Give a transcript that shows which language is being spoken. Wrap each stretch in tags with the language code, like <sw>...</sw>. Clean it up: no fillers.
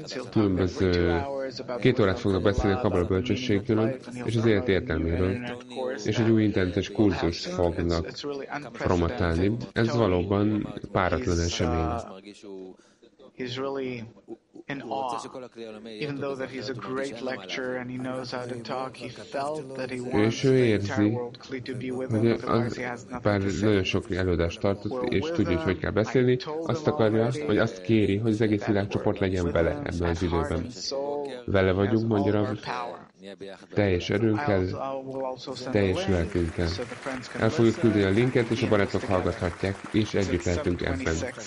<hu>Különböző 2 órát fognak beszélni a kabbala bölcsességről és az élet értelméről, és egy új internetes kurzust fognak promotálni. Ez valóban páratlan esemény.</hu> <en>He's really in awe. Even though that he's a great lecturer and he knows how to talk, he felt that he wants the entire world clearly to be with him, because he has nothing to say.</en> <hu>Nagyon sok előadást tartott, és tudja, hogy hogy kell beszélni. Azt akarja, hogy azt kéri, hogy az egész világcsoport legyen vele ebben az időben. Vele vagyunk, mondja, teljes erőnkkel, teljes lelkünkkel. El fogjuk küldeni a linket, és a barátok hallgathatják, és együtt lehetünk ebben.</hu>